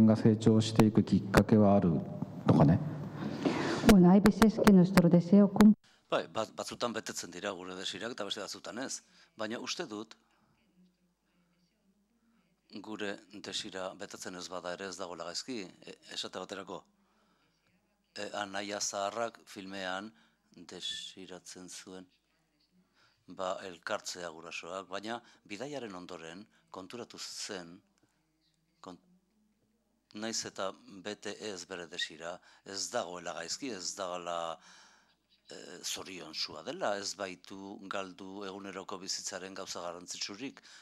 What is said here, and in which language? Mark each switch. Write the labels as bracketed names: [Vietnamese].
[Japanese] 叶わないことの中にも何かその人間が成長していくきっかけはあるとかね。 [Spanish] Bueno, hay veces que nuestro deseo cumple. [Basque] Bai, batzutan betetzen dira gure desirak eta beste batzutan ez. Baina uste dut gure desira betetzen ez bada ere ez dagoela gaizki, esate baterako. Anaia Zaharrak filmean desiratzen zuen elkartzea gurasoak, baina bidaiaren ondoren konturatu zen naiz eta bete ez bere desira, ez dagoela gaizki, ez dagoela zoriontsua dela, ez baitu galdu eguneroko bizitzaren gauza garrantzitsurik.